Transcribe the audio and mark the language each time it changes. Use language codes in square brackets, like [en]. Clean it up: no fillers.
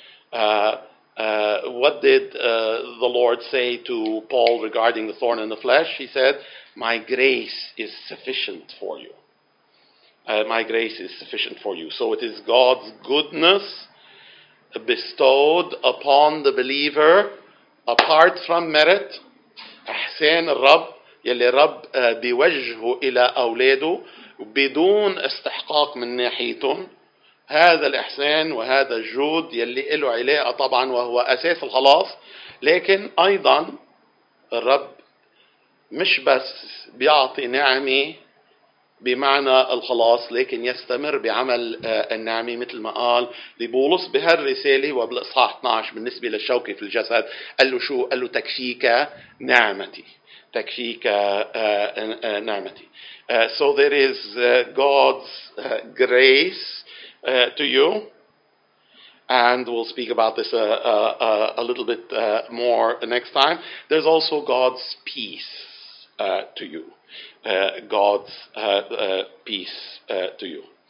[en] What did the Lord say to Paul regarding the thorn in the flesh? He said, "My grace is sufficient for you." My grace is sufficient for you. So it is God's goodness bestowed upon the believer apart from merit. [ar] أحسان الرب يلي رب بيوجهه إلى أولاده بدون استحقاق من ناحيتهم. هذا الإحسان وهذا الجود يلي له علاقة طبعا وهو أساس الخلاص. لكن أيضا الرب مش بس بيعطي نعمة بمعنى الخلاص، لكن يستمر بعمل النعمة مثل ما قال لبولس بهالرسالة وبالإصحاح 12 بالنسبة للشوكة في الجسد. قال له شو؟ قال له تكفيك نعمتي، تكفيك نعمتي. [en] So there is God's grace to you, and we'll speak about this a little bit more next time. There's also God's peace to you. God's peace to you.